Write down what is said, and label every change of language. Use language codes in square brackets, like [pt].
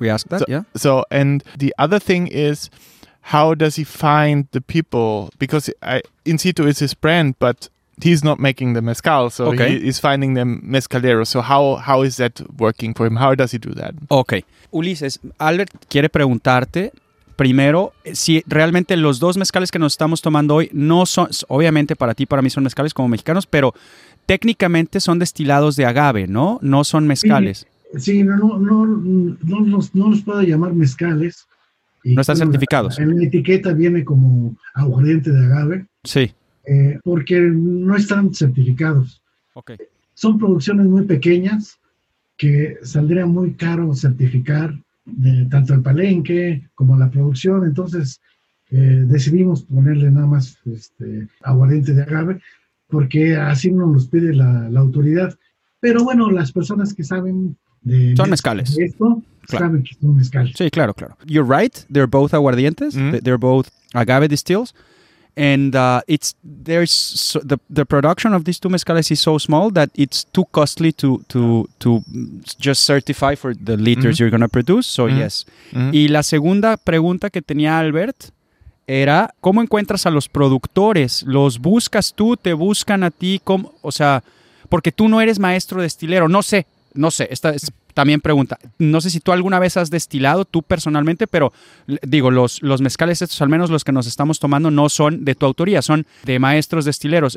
[en] We asked that, So, and the other thing is, how does he find the people? Because in situ is his brand, but he's not making the mezcal. So he's finding the mezcalero. So how is that working for him? How does he do that? [es] Okay. Ulises, Albert quiere preguntarte... primero, si realmente los dos mezcales que nos estamos tomando hoy no son, obviamente para ti, para mí son mezcales como mexicanos, pero técnicamente son destilados de agave, ¿no? No son mezcales. No los puedo llamar mezcales. Y, no están certificados. En la etiqueta viene como aguardiente de agave. Sí. Porque no están certificados. Ok. Son producciones muy pequeñas que saldría muy caro certificar. De tanto el palenque como la producción, entonces decidimos ponerle nada más aguardiente de agave porque así nos los pide la autoridad, pero bueno, las personas que saben de son mezcales de esto, saben que son mezcales. Sí, claro, [en] you're right, they're both aguardientes, they're both agave distills. And the production of these two mezcales is so small that it's too costly to just certify for the liters you're going to produce. So, yes. [es] Y la segunda pregunta que tenía Albert era, ¿cómo encuentras a los productores? ¿Los buscas tú? ¿Te buscan a ti? ¿Cómo? O sea, porque tú no eres maestro destilero. No sé. Esta es también pregunta. No sé si tú alguna vez has destilado, tú personalmente, pero digo, los mezcales estos, al menos los que nos estamos tomando, no son de tu autoría, son de maestros destileros.